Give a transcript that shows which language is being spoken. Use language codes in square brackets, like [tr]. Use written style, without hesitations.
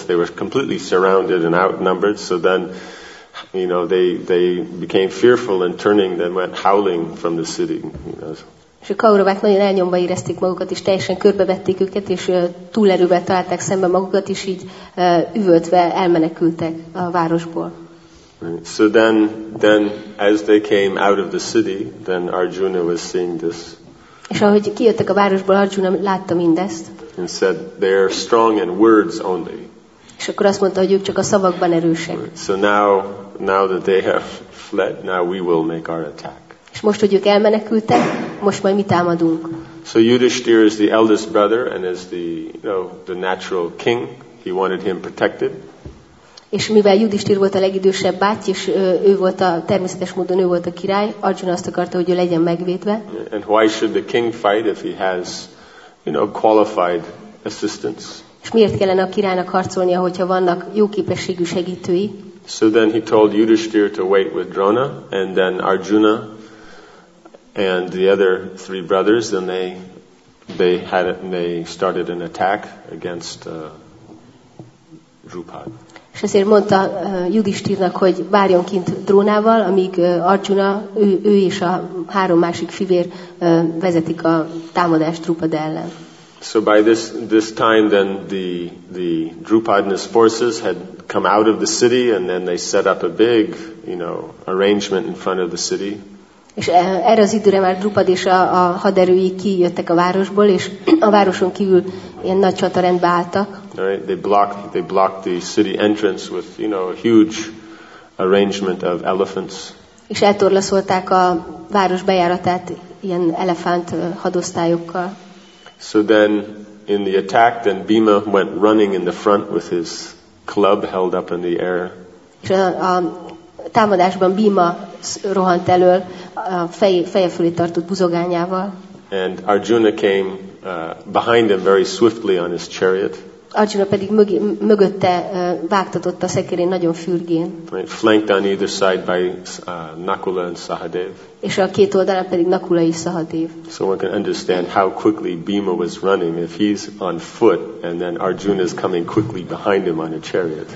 [en] They were completely surrounded and outnumbered. So then, you know, they became fearful and turning, then went howling from the city. You know. [hu] És a Kauravák nagyon elnyomva érezték magukat, és teljesen körbevették őket, és túlerővel találták szembe magukat, és így üvöltve elmenekültek a városból. [en] Right. So then as they came out of the city, then Arjuna was seeing this. [hu] És ahogy kijöttek a városból, Arjuna látta mindezt. [en] And said, they are strong in words only. [hu] És akkor azt mondta, hogy ők csak a szavakban erősek. [en] Right. So now that they have fled, now we will make our attack. [hu] És most, hogy ők elmenekültek, most majd mi támadunk. [en] So Yudhishthira is the eldest brother and is the, you know, the natural king. He wanted him protected. [hu] És mivel Yudhishthira volt a legidősebb báty, és ő volt a természetes módon ő volt a király, Arjuna azt akarta, hogy ő legyen megvédve. [en] And why should the king fight if he has, you know, qualified assistants? [hu] És miért kellene a királynak harcolnia, hogyha vannak jó képességű segítői? [en] So then he told Yudhishthira to wait with Drona, and then Arjuna and the other three brothers, then they started an attack against Drupad. [hu] És ezért mondta Yudhishthirnak, hogy várjon kint Drónával, amíg Arjuna, ő és a három másik fivér vezetik a támadást Drupad ellen. [en] So by this time then the Drupadna's forces had come out of the city, and then they set up a big, you know, arrangement in front of the city. [hu] És erre az időre már Drupad és a haderői kijöttek a városból, és a városon kívül ilyen nagy csatarendbe álltak. [en] Right. They blocked the city entrance with, you know, a huge arrangement of elephants. [hu] És eltorlaszolták a város bejáratát ilyen elefánt hadosztályokkal. [en] So then in the attack, then Bhima went running in the front with his club held up in the air. [hu] És a támadásban Bhima rohant elől a feje fölé tartott buzogányával. [en] And Arjuna came behind him very swiftly on his chariot. [hu] Arjuna pedig mögötte vágtatott a szekérén nagyon fürgén. [en] Right, flanked on either side by Nakula and Sahadev. [hu] És a két oldalán pedig Nakula és Sahadev. [en] So one can understand how quickly Bhima was running if he's on foot and then Arjuna is coming quickly behind him on a chariot.